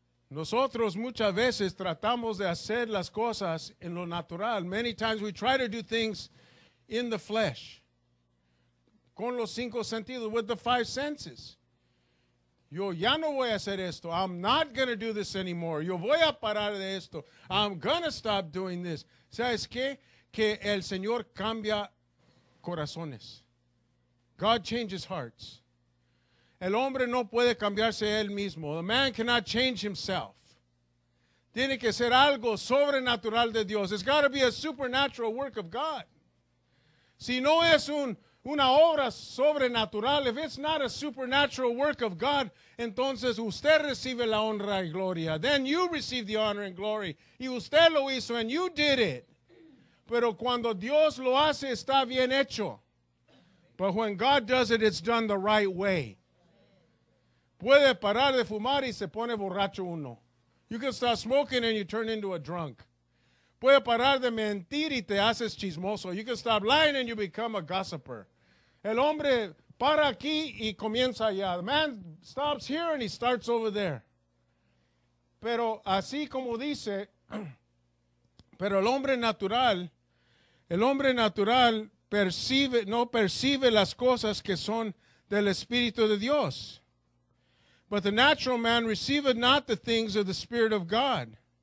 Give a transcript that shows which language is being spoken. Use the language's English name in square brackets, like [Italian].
[Spanish] Nosotros muchas veces tratamos de hacer las cosas en lo natural. [English] Many times we try to do things in the flesh. [Spanish] Con los cinco sentidos, [English] with the five senses. [Spanish] Yo ya no voy a hacer esto. [English] I'm not going to do this anymore. [Spanish] Yo voy a parar de esto. [English] I'm going to stop doing this. [Spanish] ¿Sabes qué? Que el Señor cambia corazones. [English] God changes hearts. [Spanish] El hombre no puede cambiarse él mismo. [English] The man cannot change himself. [Spanish] Tiene que ser algo sobrenatural de Dios. [English] It's got to be a supernatural work of God. [Spanish] Si no es una obra sobrenatural, [English] if it's not a supernatural work of God, [Spanish] entonces usted recibe la honra y gloria. [English] Then you receive the honor and glory. [Spanish] Y usted lo hizo [English] and you did it. [Spanish] Pero cuando Dios lo hace, está bien hecho. [English] But when God does it, it's done the right way. [Spanish] Puede parar de fumar y se pone borracho uno. [English] You can start smoking and you turn into a drunk. [Spanish] Puede parar de mentir y te haces chismoso. [English] You can stop lying and you become a gossiper. [Spanish] El hombre para aquí y comienza allá. [English] The man stops here and he starts over there. [Spanish] Pero así como dice, pero el hombre natural percibe las cosas que son del Espíritu de Dios. [English] But the natural man receiveth not the things of the Spirit of God.